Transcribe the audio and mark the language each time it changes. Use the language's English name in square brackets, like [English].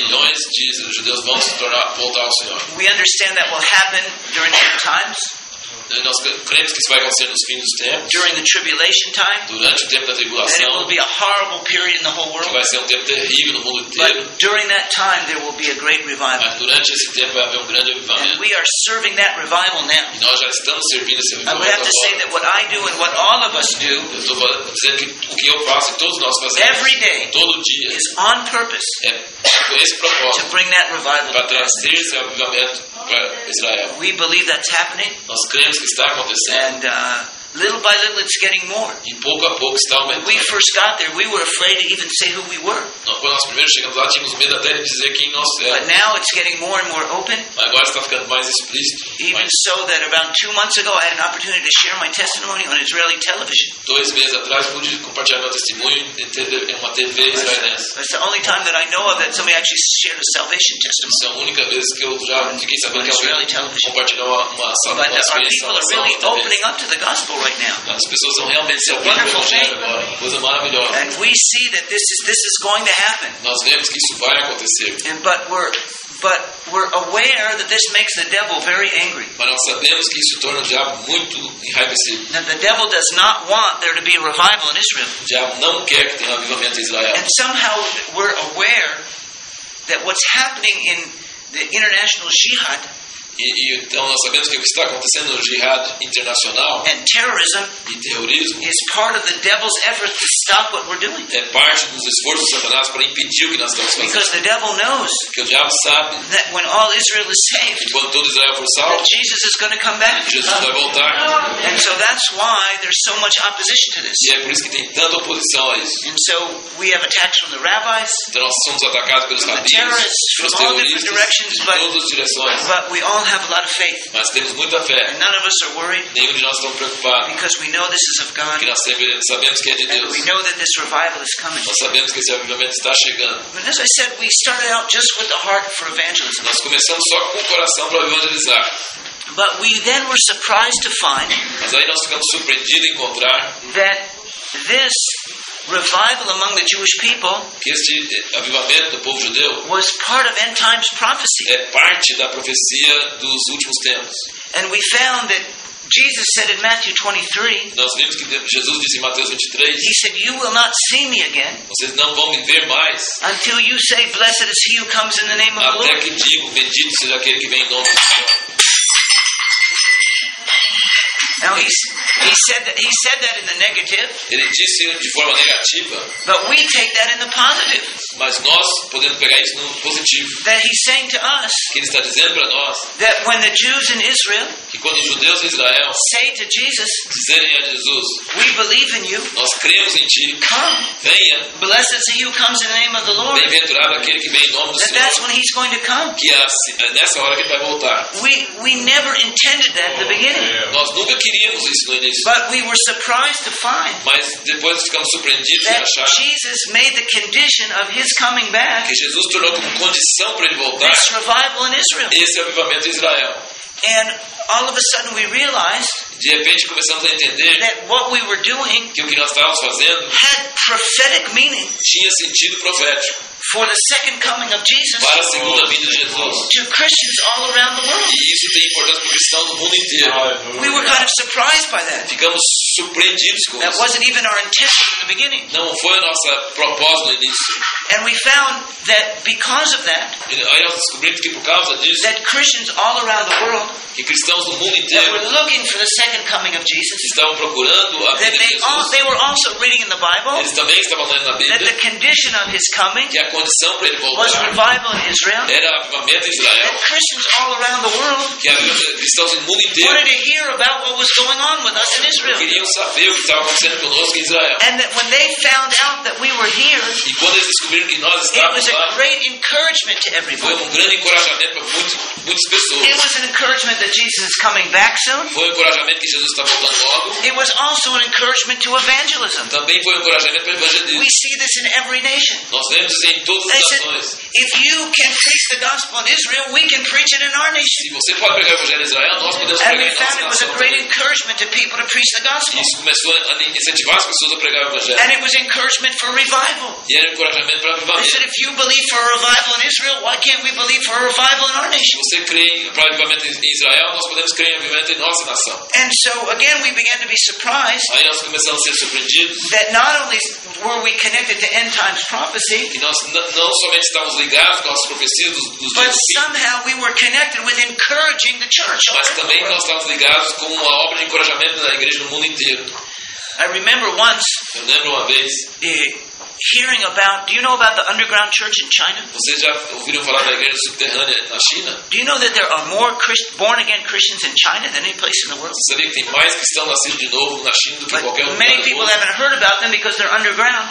[Portuguese] milhões de judeus vão se tornar voltar ao Senhor. [English] We understand that will happen during the end times. [Portuguese] Nós cremos que isso vai acontecer nos fins dos tempos. [English] During the tribulation time, [Portuguese] durante o tempo da tribulação. [English] And it will be a horrible period in the whole world. [Portuguese] Que vai ser um tempo terrível no mundo inteiro. [English] But during that time, there will be a great revival. [Portuguese] Mas durante esse tempo vai haver um grande avivamento. [English] And we are serving that revival now. [Portuguese] E nós já estamos servindo esse avivamento. [English] I would have to say that what I do and what all of us do, [Portuguese] eu estou dizendo que o que eu faço e todos nós fazemos, [English] every day, [Portuguese] todo dia, [English] is on purpose, [Portuguese] é com esse propósito, [English] to bring that revival, [Portuguese] para trazer esse avivamento. [English] We believe that's happening. [Portuguese] Nós cremos que está acontecendo. [English] And Little by little, it's getting more. [Portuguese] E pouco a pouco está aumentando. [English] When we first got there, we were afraid to even say who we were. [Portuguese] Não, quando nós primeiro chegamos lá, tínhamos medo até de dizer quem nós éramos. [English] But now it's getting more and more open. [Portuguese] Agora está ficando mais explícito. [English] Even so, that around 2 months ago, I had an opportunity to share my testimony on Israeli television. [Portuguese] 2 meses atrás, pude compartilhar meu testemunho em uma TV israelense. [English] That's the only time that I know of that somebody actually shared a salvation testimony. [Portuguese] Essa é a única vez que eu já fiquei sabendo que alguém compartilhou uma salvação. [English] Are opening up to the gospel right now. [Portuguese] As pessoas estão realmente se abrindo para o evangelho agora. Coisa maravilhosa. [English] And we see that this is going to happen. [Portuguese] Nós vemos que isso vai acontecer. [English] But we're aware that this makes the devil very angry. [Portuguese] Mas nós sabemos que isso torna o diabo muito enraivecido. [English] That the devil does not want there to be a revival in Israel. [Portuguese] O diabo não quer que tenha um avivamento em Israel. [English] And somehow we're aware that what's happening in the international jihad. [Portuguese] E então nós sabemos que o que está acontecendo no jihad internacional [English] and terrorism [Portuguese] e terrorismo [English] is part of the devil's effort to stop what we're doing. [Portuguese] É parte dos esforços de Satanás para impedir o que nós estamos fazendo. [English] Because the devil knows [Portuguese] que o diabo sabe [English] that when all Israel is saved, [Portuguese] que quando todo Israel for salvo, [English] Jesus is going to come back. [Portuguese] Jesus vai voltar. [English] And so that's why there's so much opposition to this. [Portuguese] E é por isso que tem tanta oposição a isso. [English] And so we have attacks from the rabbis, [Portuguese] então nós somos atacados pelos rabinos, terroristas, de todas as direções. [English] But we all have a lot of faith. [Portuguese] Mas temos muita fé. [English] And none of us are worried. [Portuguese] Nenhum de nós estamos preocupados. [English] Because we know this is of God. [Portuguese] Porque nós sabemos que é de Deus. [English] And we know that this revival is coming. [Portuguese] Nós sabemos que esse avivamento está chegando. [English] But as I said, we started out just with the heart for evangelism. [Portuguese] Nós começamos só com o coração para evangelizar. [English] But we then were surprised to find. [Portuguese] Mas aí nós ficamos surpreendidos em encontrar [English] that this revival among the Jewish people, [Portuguese] que este avivamento do povo judeu, [English] was part of end times prophecy. [Portuguese] É parte da profecia dos últimos tempos. [English] And we found that Jesus said in Matthew 23. [Portuguese] Nós vimos que Jesus disse em Mateus 23. [English] He said, "You will not see me again." [Portuguese] Vocês não vão me ver mais. [English] Until you say, "Blessed is he who comes in the name of the Lord." [Portuguese] Até que digo, bendito seja aquele que vem em nome do Senhor. [English] Now he said that in the negative. [Portuguese] Ele disse de forma negativa. [English] But we take that in the positive. [Portuguese] Mas nós podemos pegar isso no positivo. [English] That he's saying to us. [Portuguese] Que ele está dizendo para nós. [English] That when the Jews in Israel. [Portuguese] Que quando os judeus em Israel. [English] Say to Jesus. [Portuguese] Dizerem a Jesus. [English] We believe in you. [Portuguese] Nós cremos em ti. [English] Come. [Portuguese] Venha. [English] Blessed is he who comes in the name of the Lord. [Portuguese] Bem-aventurado aquele que vem em nome do Senhor. [English] That's when he's going to come. [Portuguese] Que é nessa hora que ele vai voltar. [English] We never intended that at the beginning. [Portuguese] Nós nunca queríamos isso no início. [English] But we were surprised to find. [Portuguese] Mas depois ficamos surpreendidos em achar. [English] Jesus made the condition of his coming back. [Portuguese] Que Jesus tornou como condição para ele voltar. [English] This revival in Israel. [Portuguese] Esse avivamento em Israel. [English] And all of a sudden we realized. [Portuguese] De repente começamos a entender. [English] That what we were doing. [Portuguese] Que o que nós estávamos fazendo. [English] Had prophetic meaning. [Portuguese] Tinha sentido profético. [English] For the second coming of Jesus. [Portuguese] Para a segunda vinda de Jesus. [English] To Christians all around the world. [Portuguese] E isso tem importância para o cristão do mundo inteiro. [English] We were kind of surprised by that. [Portuguese] Ficamos surpreendidos com [English] that [Portuguese] isso. [English] Wasn't even our intention in the beginning. [Portuguese] Não foi a nossa proposta no início. [English] And we found that because of that. [Portuguese] E aí nós descobrimos que por causa disso. [English] That Christians all around the world. [Portuguese] Que cristãos do mundo inteiro. [English] Were looking for the second coming of Jesus. [Portuguese] Estavam procurando a vinda de Jesus. [English] They were also reading in the Bible. [Portuguese] Eles também estavam lendo na Bíblia. [English] That the condition of his coming. [Portuguese] A condição para ele voltar [English] was revival in Israel, [Portuguese] era avivamento em Israel. [English] That Christians all around the world, [Portuguese] que cristãos no mundo inteiro [English] wanted to hear about what was going on with us in Israel. [Portuguese] Queriam saber o que estava acontecendo conosco em Israel. [English] And that when they found out that we were here, [Portuguese] e quando eles descobriram que nós estávamos [English] it was [Portuguese] lá, [English] a great encouragement to everybody. [Portuguese] Foi um grande encorajamento para muitas pessoas. [English] It was an encouragement that Jesus is coming back soon. [Portuguese] Foi um encorajamento que Jesus está voltando logo. [English] It was also an encouragement to evangelism. [Portuguese] Também foi um encorajamento para o evangelismo. [English] We see this in every nation. [Portuguese] Nós vemos isso em todas as nações. [English] If you can preach the gospel in Israel, we can preach it in our nation. [Portuguese] Se você pode pregar o evangelho em Israel, nós podemos pregar em nossa nação. [English] And it was a great encouragement to people to preach the gospel. [Portuguese] Isso começou a incentivar as pessoas a pregar o evangelho. [English] And it was encouragement for revival. [Portuguese] E era encorajamento para avivamento. [English] I said, if you believe for a revival in Israel, why can't we believe for a revival in our nation? [Portuguese] Se você crê para avivamento em Israel, nós podemos crer em avivamento em nossa nação. [English] And so again, we began to be surprised. [Portuguese] Aí nós começamos a ser surpreendidos. [English] That not only were we connected to end times prophecy. [Portuguese] Que nós não somente estávamos ligados com as profecias dos [English] but somehow we were connected with encouraging the church. [Portuguese] Mas também nós estávamos ligados com uma obra de encorajamento da igreja no mundo inteiro. [English] I remember once. [Portuguese] Eu lembro uma vez. [English] hearing about, do you know about the underground church in China? [Portuguese] Vocês já ouviram falar da igreja subterrânea na China? [English] Do you know that there are more born again Christians in China than any place in the world? [Portuguese] Você sabe que tem mais cristãos nascidos de novo na China do que qualquer lugar. [English] Many people haven't heard about them because they're underground.